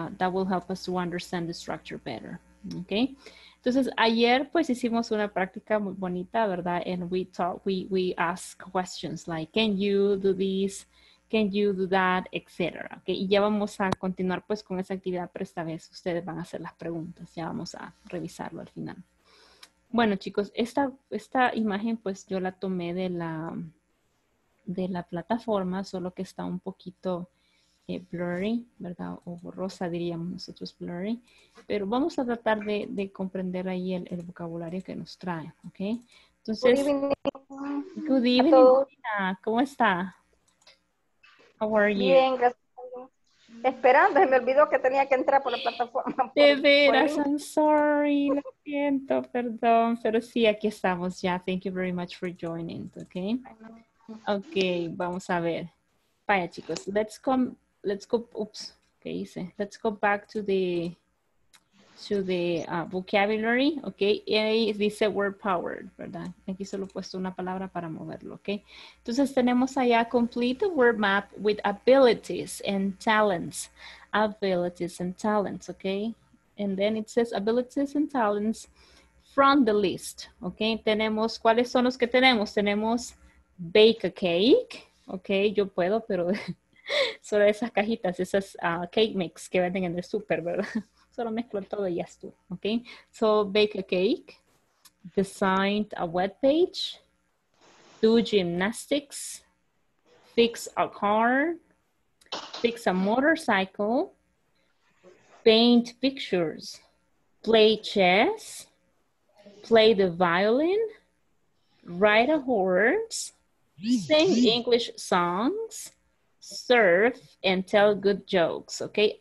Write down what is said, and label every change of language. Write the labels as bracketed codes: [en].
[en] That will help us to understand the structure better, okay? [es] Entonces, ayer, pues, hicimos una práctica muy bonita, ¿verdad? [en] And we ask questions like, can you do this? Can you do that, etcétera, okay? [es] Y ya vamos a continuar pues con esa actividad, pero esta vez ustedes van a hacer las preguntas, ya vamos a revisarlo al final. Bueno, chicos, esta imagen pues yo la tomé de la plataforma, solo que está un poquito blurry, ¿verdad? O borrosa diríamos nosotros, blurry. Pero vamos a tratar de comprender ahí el vocabulario que nos trae, ¿ok? [en] Entonces, good evening. Good evening, Nina. [es] ¿Cómo está? [en] How are you? [es] Bien, gracias. Esperando, me olvidó que tenía que entrar por la plataforma. De veras, [en] I'm sorry, [es] lo siento, perdón, pero sí, aquí estamos ya. [en] Thank you very much for joining, okay? Okay, [es] vamos a ver. [en] Vaya, chicos, let's go back to the vocabulary, okay? [es] Y ahí dice word powered, ¿verdad? Aquí solo he puesto una palabra para moverlo, okay? Entonces tenemos allá [en] complete the word map with abilities and talents. Abilities and talents, okay? And then it says abilities and talents from the list, okay? [es] Tenemos, ¿cuáles son los que tenemos? Tenemos bake a cake, okay? Yo puedo, pero solo esas cajitas, esas cake mix que venden en el super, ¿verdad? Solo mezclo todo y ya estuvo, ¿ok? [en] So, bake a cake, design a web page, do gymnastics, fix a car, fix a motorcycle, paint pictures, play chess, play the violin, ride a horse, sing English songs, surf and tell good jokes, okay?